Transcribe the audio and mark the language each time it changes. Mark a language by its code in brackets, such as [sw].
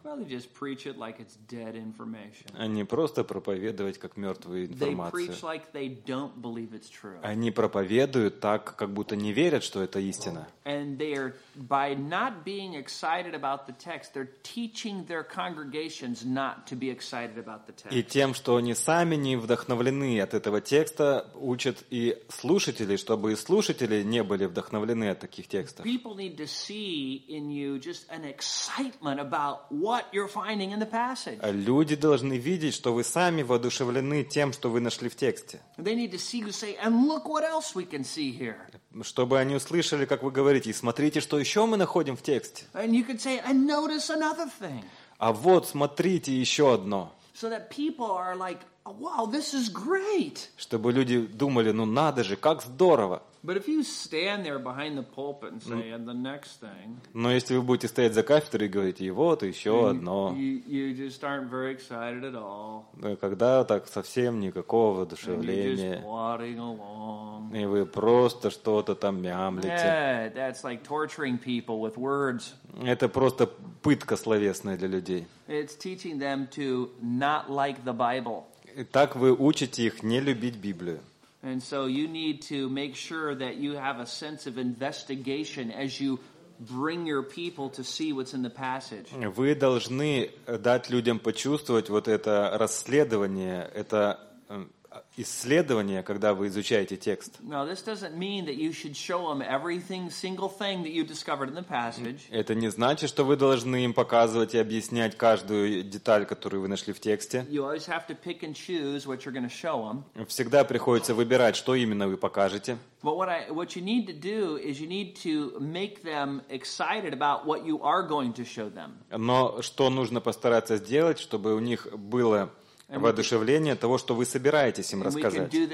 [en] Well, they just preach it like it's dead information. [ru] А не просто проповедовать как мертвую информацию. [en] They preach like they don't believe it's true. [ru] Они проповедуют так, как будто не верят, что это истина. [en] And they are, by not being excited about the text, they're teaching their congregations not to be excited about the text. [ru] И тем, что они сами не вдохновлены от этого текста, учат и слушателей, чтобы и слушатели не были вдохновлены от таких текстов. [en] People need to see in you just an excitement about what you're finding in the passage. [ru] Люди должны видеть, что вы сами воодушевлены тем, что вы нашли в тексте. [en] They need to see you say, and look what else we can see here. [ru] Чтобы они услышали, как вы говорите: и смотрите, что еще мы находим в тексте. [en] And you could say, and notice another thing. [ru] А вот смотрите еще одно. [en] So that people are like, wow, this is great. [ru] Чтобы люди думали: ну надо же, как здорово. [en] But if you stand there behind the pulpit and say, and the next thing. [ru] Но если вы будете стоять за кафедрой и говорить: и вот еще одно. [en] You just aren't very excited at all. [ru] Когда так совсем никакого воодушевления. [en] And you're just plodding along. [ru] И вы просто что-то там мямлите. [en] Yeah, that's like torturing people with words. [ru] Это просто пытка словесная для людей. [en] It's teaching them to not like the Bible. [ru] И так вы учите их не любить Библию. [en] And so you need to make sure that you have a sense of investigation as you bring your people to see what's in the passage. [ru] Вы должны дать людям почувствовать вот это расследование, это исследование, когда вы изучаете текст. [en] Now this doesn't mean that you should show them everything, single thing that you discovered in the passage. [ru] Это не значит, что вы должны им показывать и объяснять каждую деталь, которую вы нашли в тексте. [en] You always have to pick and choose what you're going to show them. [ru] Всегда приходится выбирать, что именно вы покажете. [en] But what you need to do is you need to make them excited about what you are going to show them. [ru] Но что нужно постараться сделать, чтобы у них было воодушевление того, что вы собираетесь им рассказать.